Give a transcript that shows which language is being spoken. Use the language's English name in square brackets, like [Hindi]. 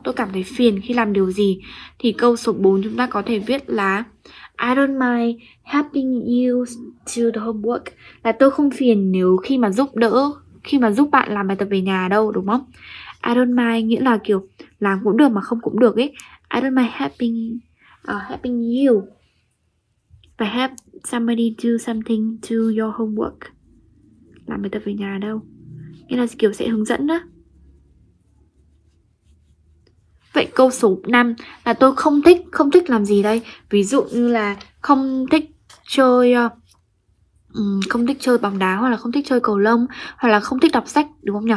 [Vietnamese] Tôi cảm thấy phiền khi làm điều gì. Thì câu số 4 chúng ta có thể viết là [English] I don't mind helping you to the homework. [Vietnamese] Là tôi không phiền nếu khi mà giúp đỡ, khi mà giúp bạn làm bài tập về nhà đâu, đúng không? [English] I don't mind [Vietnamese] nghĩa là kiểu làm cũng được mà không cũng được ấy. [English] I don't mind helping you to help somebody do something to your homework. [Vietnamese] Làm bài tập về nhà đâu. Nghĩa là kiểu sẽ hướng dẫn đó. Vậy câu số 5 là tôi không thích làm gì đây? Ví dụ như là không thích chơi bóng đá, hoặc là không thích chơi cầu lông, hoặc là không thích đọc sách, đúng không nhỉ?